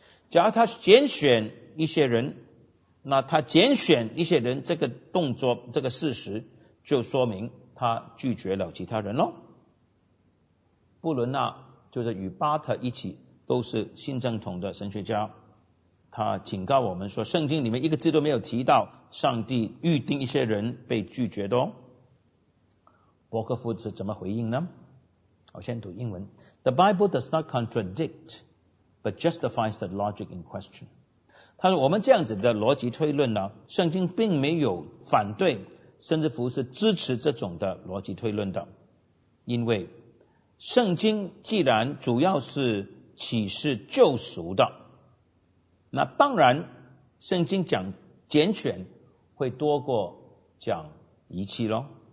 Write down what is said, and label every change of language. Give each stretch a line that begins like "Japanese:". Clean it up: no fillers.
Chinese: 假如他拣选一些人，那他拣选一些人这个动作这个事实就说明他拒绝了其他人咯。布伦纳就是与巴特一起都是新正统的神学家，他警告我们说圣经里面一个字都没有提到上帝预定一些人被拒绝的哦。伯克夫是怎么回应呢？我先读英文。
English: The Bible does not contradict but justifies the logic in question.
Chinese: 他说我们这样子的逻辑推论呢，圣经并没有反对甚至乎是支持这种的逻辑推论的，因为圣经既然主要是启示救赎的，那当然圣经讲拣选会多过讲遗弃咯。